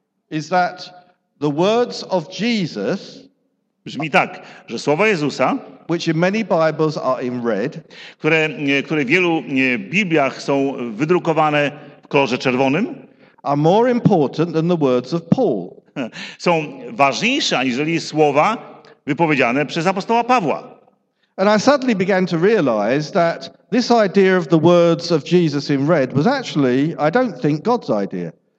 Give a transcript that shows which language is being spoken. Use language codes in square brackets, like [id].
[en] is that the words of Jesus, [pl] brzmi tak, że słowa Jezusa, [en] which in many Bibles are in red, [pl] które w wielu Bibliach są wydrukowane w kolorze czerwonym, [en] are more important than the words of Paul. [pl] Są ważniejsze, aniżeli słowa wypowiedziane przez apostoła Pawła. [en] And I suddenly began to realize that this idea of the words of Jesus in red was actually, I don't think, God's idea.